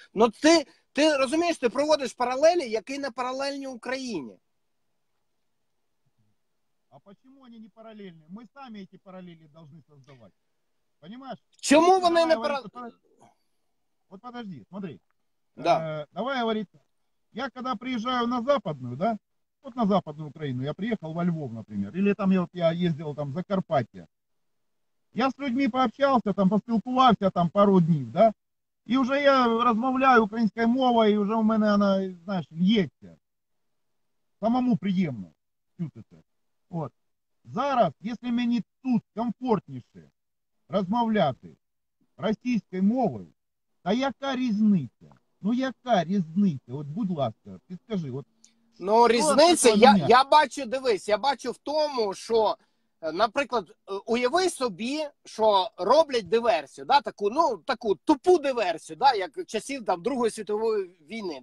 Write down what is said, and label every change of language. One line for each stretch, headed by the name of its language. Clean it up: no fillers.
Ukrainian: Ну ти розумієш, ти проводиш паралелі, які не паралельні Україні. А чому вони не паралельні? Ми самі ці паралелі повинні створювати. Понимаєш? Чому вони давай не паралельні?
Russian: От подожди, смотри. Да.
Ukrainian: Давай говорити.
Russian: Я когда приезжаю на Западную, да, вот на Западную Украину, я приехал во Львов, например, или там я ездил там в Закарпатье, я с людьми пообщался, там поспелкувався там пару дней, да, и уже я размовляю украинской мовой, и уже у меня она, знаешь, льется, самому приемно, чувствуется. Вот. Зараз, если мне тут комфортнейше размовляти российской мовой,
Ukrainian: то яка різниця? Ну яка різниця? От будь ласка, підкажи. От. Ну різниця, я бачу, дивись, я бачу в тому, що, наприклад, уяви собі, що роблять диверсію, да, таку, ну, таку тупу диверсію, да, як часів там Другої світової війни.